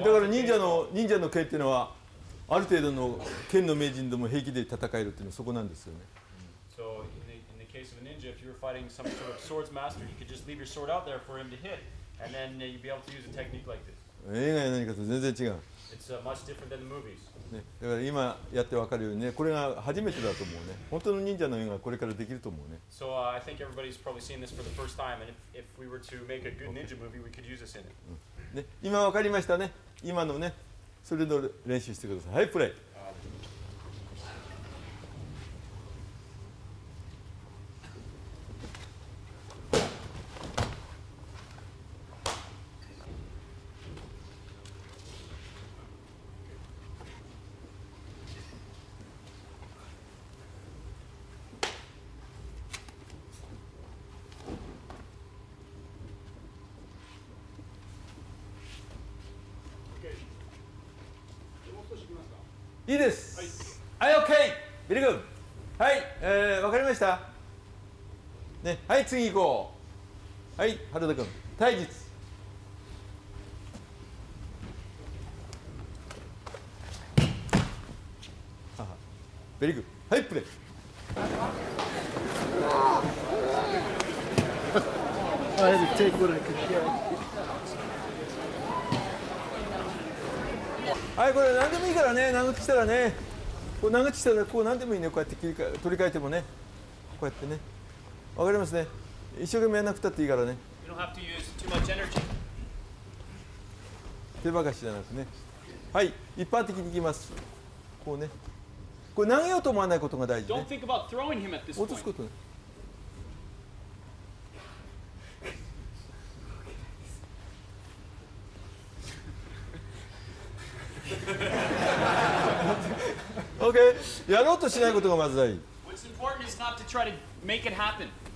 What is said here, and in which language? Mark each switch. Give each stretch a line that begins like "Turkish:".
Japanese: だから忍者の剣っていうのはある程度の剣の名人でも平気で戦えるっていうのはそこなんですよね。
English: So in the case of a ninja, if you were fighting some sort of swords master, you could just leave your sword out there for him to hit, and then you'd be able to use a technique like this.
Japanese: 映画や何かと全然違う。
English: It's much different than the movies.
Japanese: ね、だから今やってわかるようにね、これが初めてだと思うね。本当の忍者の映画はこれからできると思うね。
English: So I think everybody's probably seen this for the first time, and if we were to make a good ninja movie, we could use this in it.
Japanese: ね、今わかりましたね。今のね、それの練習してください。はい、プレイ。いいです。はい、 OK。 ビリ君。はい、わかりました。ね、はい、次行こう。はい、原田君。体術。ビリ君。はい、プレ
English: イ。I had to take what I could get.
Japanese: はい、これ何でもいいからね、長くしたらね、こう長くしたらこう何でもいいね、こうやって切り替え取り替えてもね、こうやってね、わかりますね、一生懸命やらなくたっていいからね。
English: You don't have to use too much energy.
Japanese: 手ばかしじゃなくてね。はい、一般的にいきます。こうね、これ投げようと思わないことが大事ね。
English: Don't think about throwing him at this point.
Japanese: 落とすことね。 OK、やろうとしないことがまず大事。
English: What's important is not to try to make it happen.